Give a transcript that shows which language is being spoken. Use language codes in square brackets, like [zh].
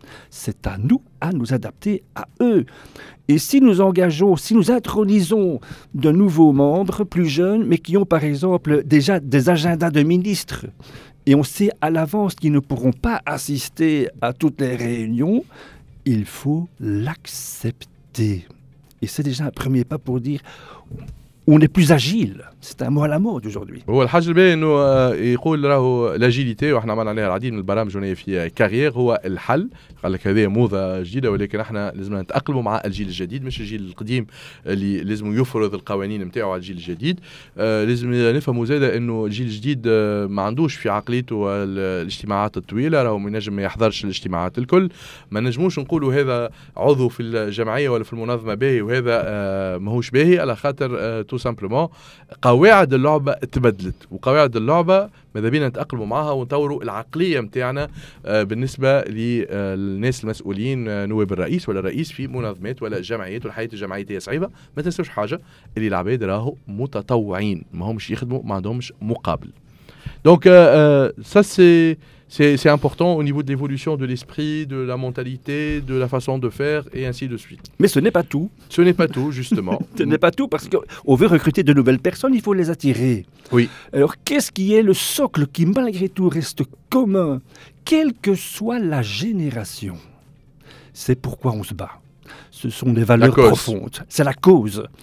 [fr] C'est à nous à nous adapter à eux. Et si nous engageons, si nous intronisons de nouveaux membres plus jeunes, mais qui ont par exemple déjà des agendas de ministres, et on sait à l'avance qu'ils ne pourront pas assister à toutes les réunions, il faut l'accepter. Et c'est déjà un premier pas pour dire on est plus agile. C'est un mot à la mode aujourd'hui. [ar] هو الحاج البي انه يقول راهو لاجيليتي وحنا عملنا عليها العديد من البرامج هنا في كارير هو الحل. قال لك هذه موضه جديده ولكن احنا لازم نتاقلموا مع الجيل الجديد مش الجيل القديم اللي لازم يفرض القوانين نتاعو على الجيل الجديد. لازم نفهموا زيادة انه الجيل الجديد ما عندوش في عقليته الاجتماعات الطويله راهو ما ينجم ما يحضرش الاجتماعات الكل. ما نجموش نقولوا هذا عضو في الجمعيه ولا في المنظمه باهي وهذا ماهوش باهي على خاطر تو سامبلومون قواعد اللعبة تبدلت وقواعد اللعبة ماذا بينا نتأقلموا معها ونطوروا العقلية متاعنا بالنسبة للناس المسؤولين نواب الرئيس ولا الرئيس في منظمات ولا جمعيات والحياة الجمعية هي صعيبة ما تنسوش حاجة اللي العباد راهو متطوعين ما همش يخدموا ما عندهمش مقابل دونك [fr] سا سي C'est important au niveau de l'évolution de l'esprit, de la mentalité, de la façon de faire et ainsi de suite. Mais ce n'est pas tout. Ce n'est pas tout, justement. Ce n'est pas tout parce qu'on veut recruter de nouvelles personnes, il faut les attirer. Oui. Alors, qu'est-ce qui est le socle qui, malgré tout, reste commun, quelle que soit la génération ? C'est pourquoi on se bat. Ce sont des valeurs profondes. C'est la cause.